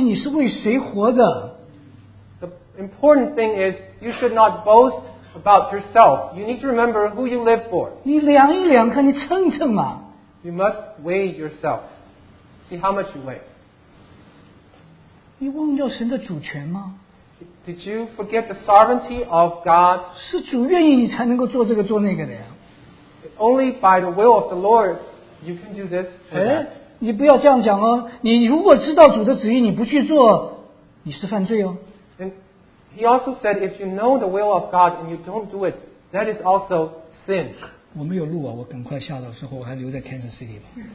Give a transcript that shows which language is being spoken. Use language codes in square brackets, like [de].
[zh] 你可以或者做这个或者做那个。而是主要的意思是在你不能够张狂自夸，忘记你是为谁活的。 [en] The important thing is you should not boast about yourself. You need to remember who you live for. [zh] 你量一量看你称称嘛。 [en] You must weigh yourself. See how much you weigh. [zh] 你忘掉神的主权吗? [en] Did you forget the sovereignty of God? [zh] 是主愿意你才能够做这个做那个的呀。 [en] Only by the will of the Lord, you can do this or that. [zh] 你不要这样讲哦, 你如果知道主的旨意你不去做, 你是犯罪哦。 [en] And he also said, if you know the will of God and you don't do it, that is also sin. [zh] 我没有录啊, 我赶快下的时候, 我还留在 Kansas City吧。